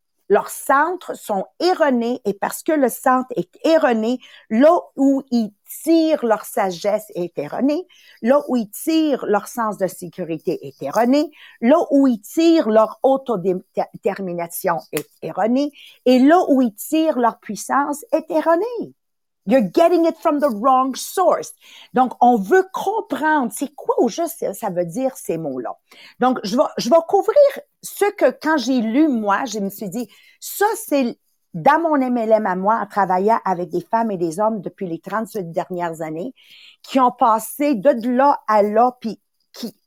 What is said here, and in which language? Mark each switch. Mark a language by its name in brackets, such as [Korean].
[French] Leurs centres sont erronés et parce que le centre est erroné, là où ils tirent leur sagesse est erroné, là où ils tirent leur sens de sécurité est erroné, là où ils tirent leur autodétermination est erroné et là où ils tirent leur puissance est erroné. [English] You're getting it from the wrong source. [French] Donc, on veut comprendre c'est quoi au juste ça veut dire ces mots-là. Donc, je vais couvrir ce que quand j'ai lu moi, je me suis dit, ça c'est dans mon MLM à moi, en travaillant avec des femmes et des hommes depuis les 38 dernières années, qui ont passé de là à là, puis qui